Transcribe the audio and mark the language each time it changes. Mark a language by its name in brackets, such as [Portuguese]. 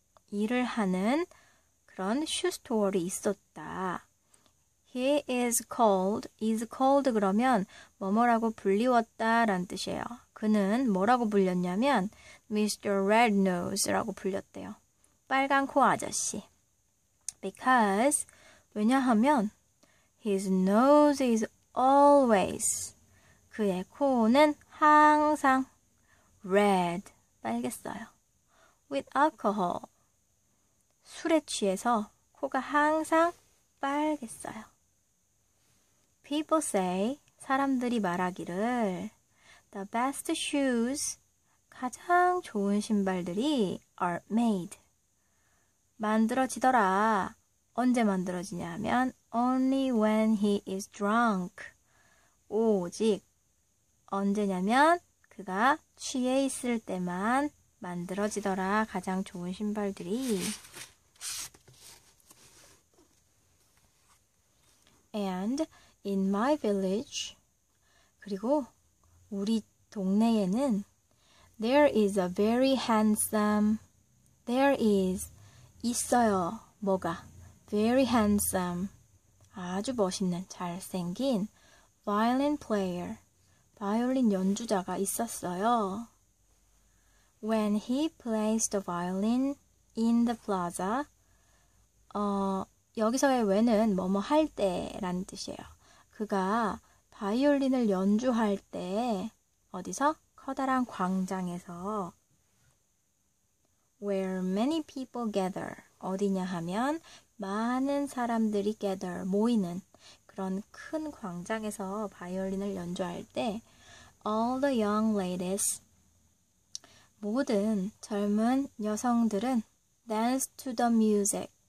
[Korean] 일을 하는 그런 슈스토어가 있었다. [English] He is called [Korean] 그러면 뭐뭐라고 불리웠다란 뜻이에요. 그는 뭐라고 불렸냐면 Mr. Red Nose라고 불렸대요. 빨간 코 아저씨. [English] Because [Korean] 왜냐하면 [English] His nose is always [Korean] 그의 코는 항상 [English] red [Korean] 빨갰어요. [English] With alcohol. [Korean] 술에 취해서 코가 항상 빨갰어요. [English] People say, [Korean] 사람들이 말하기를, [English] The best shoes, [Korean] 가장 좋은 신발들이 [English] are made. [Korean] 만들어지더라. 언제 만들어지냐 하면, [English] only when he is drunk. [Korean] 오직, 언제냐면, 그가 취해 있을 때만 만들어지더라. 가장 좋은 신발들이. [English] And in my village, [Korean] 그리고 우리 동네에는 [English] there is a very handsome, there is [Korean] 있어요. 뭐가? [English] Very handsome, [Korean] 아주 멋있는 잘생긴 [English] violin player, [Korean] 바이올린 연주자가 있었어요. [English] When he plays the violin in the plaza, [Korean] 여기서의 when은 뭐뭐 할 때라는 뜻이에요. 그가 바이올린을 연주할 때 어디서? 커다란 광장에서 [English] Where many people gather [Korean] 어디냐 하면 많은 사람들이 gather 모이는 그런 큰 광장에서 바이올린을 연주할 때 [English] All the young ladies [Korean] 모든 젊은 여성들은 [English] dance to the music.